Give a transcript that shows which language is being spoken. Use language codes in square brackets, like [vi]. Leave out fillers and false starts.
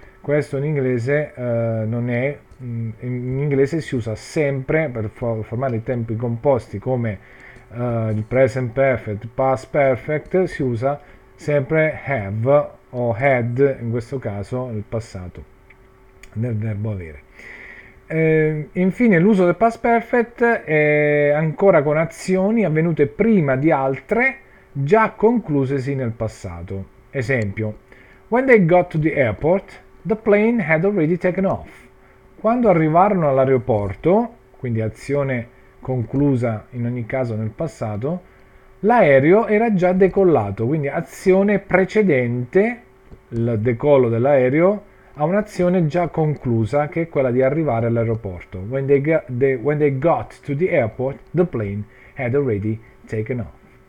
[it] Questo in inglese non è, in inglese si usa sempre per formare i tempi composti come il present perfect, past perfect, si usa sempre have o had, in questo caso il passato del verbo avere. Infine, l'uso del past perfect è ancora con azioni avvenute prima di altre già conclusesi nel passato. [en] Esempio: When they got to the airport, the plane had already taken off. [it] Quando arrivarono all'aeroporto, quindi azione conclusa in ogni caso nel passato, l'aereo era già decollato, quindi azione precedente il decollo dell'aereo a un'azione già conclusa, che è quella di arrivare all'aeroporto. [en] When they got to the airport, the plane had already taken off.